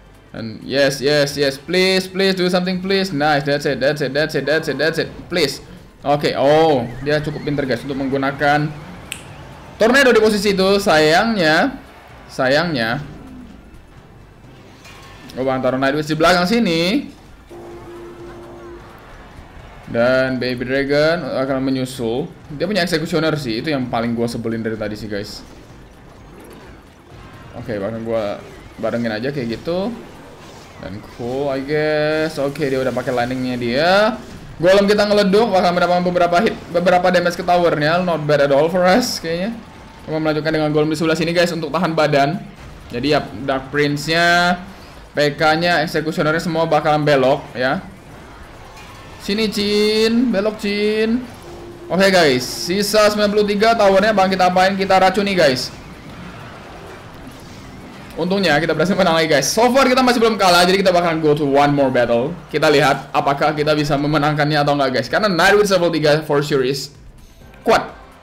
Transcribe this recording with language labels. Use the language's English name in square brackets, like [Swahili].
[English] And yes, yes, yes, please, please do something, please. Nice, that's it, that's it, that's it, that's it, that's it, please. Oke, okay. [Indonesian] Oh, dia cukup pintar guys untuk menggunakan tornado di posisi itu. Sayangnya, sayangnya, gue bakal taruh Nightwish di belakang sini. Dan Baby Dragon akan menyusul. Dia punya Executioner sih, itu yang paling gue sebelin dari tadi sih guys. Oke, okay, bakal gue barengin aja kayak gitu. Dan [English] cool, I guess. [Indonesian] Oke, okay, dia udah pakai landingnya dia. Golem kita ngeleduk, bakal mendapatkan beberapa hit, beberapa damage ke towernya. [English] Not bad at all for us, [Indonesian] kayaknya. Kita melanjutkan dengan golem di sebelah sini, guys, untuk tahan badan. Jadi ya, Dark Prince-nya, PK-nya, Executioner-nya semua bakalan belok, ya. Sini, Chin. Belok, Chin. Oke, okay, guys. Sisa 93, towernya bakal kita apain? Kita racuni, guys. Untungnya kita berhasil menang lagi guys. [English] So far [Indonesian] kita masih belum kalah, jadi kita bakal [English] go to one more battle. [Indonesian] Kita lihat apakah kita bisa memenangkannya atau enggak guys. Karena Nightwish level 3 [English] for sure is [Indonesian] kuat.